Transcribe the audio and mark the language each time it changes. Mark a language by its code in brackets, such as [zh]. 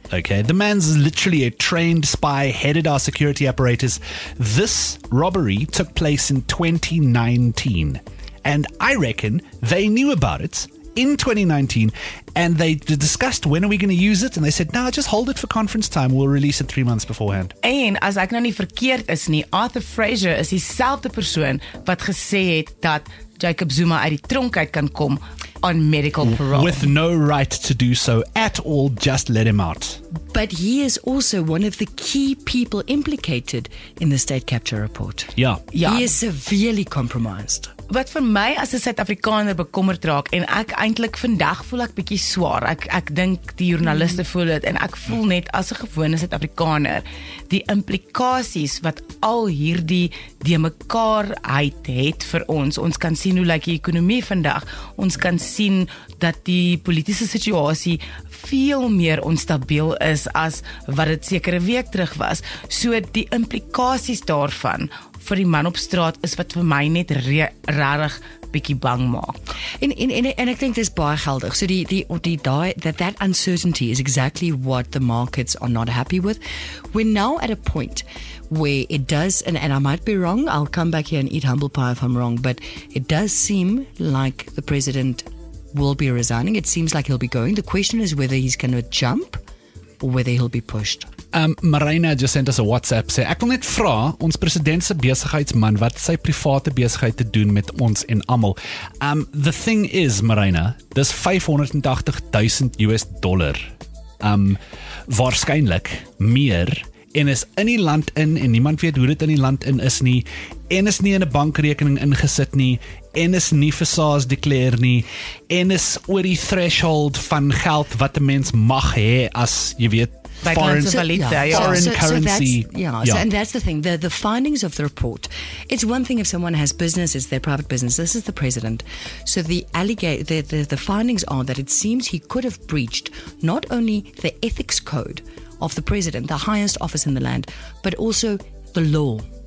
[en] Okay, the man's literally a trained spy, headed our security apparatus. This robbery took place in 2019. And I reckon they knew about it in 2019. And they discussed, when are we going to use it? And they said, nah, just hold it for conference time. We'll release it 3 months beforehand. [af] En as ek nou nie verkeerd is nie, Arthur Fraser is dieselfde persoon wat gesê het dat Jacob Zuma uit die tronk uit kan kom [en] on medical parole. With no right to do so at all, just let him out. But he is also one of the key people implicated in the state capture report. Yeah. He is severely compromised. [af] wat vir my as 'n Suid-Afrikaner bekommerd raak, en ek eintlik vandag voel ek bietjie swaar. Ek dink die joernaliste voel dit, en ek voel net as 'n gewone Suid-Afrikaner, die implikasies wat al hierdie die mekaar uit het vir ons. Ons kan sien hoe lyk die ekonomie vandag. Ons kan sien dat die politieke situasie veel meer onstabiel is as wat dit sekere week terug was. So die implikasies daarvan vir die man op straat is wat vir my net rarig bietjie bang maak. En ek dink dit is baie geldig. [en] So that uncertainty is exactly what the markets are not happy with. We're now at a point where it does, and I might be wrong, I'll come back here and eat humble pie if I'm wrong, but it does seem like the president will be resigning. It seems like he'll be going. The question is whether he's going to jump or whether he'll be pushed. Marina just sent us a WhatsApp. [af] Sê, ek wil net vra, ons president se besigheidsman, wat sy private besigheid te doen met ons en almal. [en] The thing is, Marina, dis $580,000. [af] Waarskynlik meer, en is in die land in, en niemand weet hoe dit in die land in is nie, en is nie in 'n bankrekening ingesit nie, en is nie vir SARS declare nie, en is oor die threshold van geld wat 'n mens mag hê as, jy weet, [en] foreign currency. And that's the thing, the findings of the report, it's one thing if someone has business, it's their private business, this is the president. So the findings are that it seems he could have breached not only the ethics code of the president, the highest office in the land, but also the law.